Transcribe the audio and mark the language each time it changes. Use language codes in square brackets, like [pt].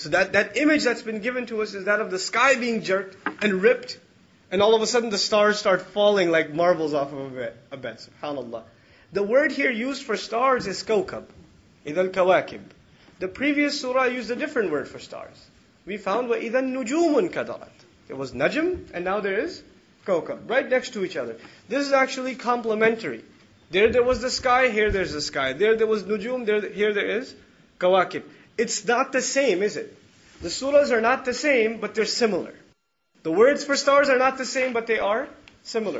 [en] So that image that's been given to us is that of the sky being jerked and ripped, and all of a sudden the stars start falling like marbles off of a bed. SubhanAllah. The word here used for stars is kawkab. Idhal kawakib. The previous surah used a different word for stars. We found [ar] وَإِذَا النُّجُومٌ كَدَرَتْ. [en] There was Najm, and now there is Kawkab, right next to each other. This is actually complementary. There was the sky, here there's the sky. There was Nujum, here there is Kawakib. It's not the same, is it? The surahs are not the same, but they're similar. The words for stars are not the same, but they are similar.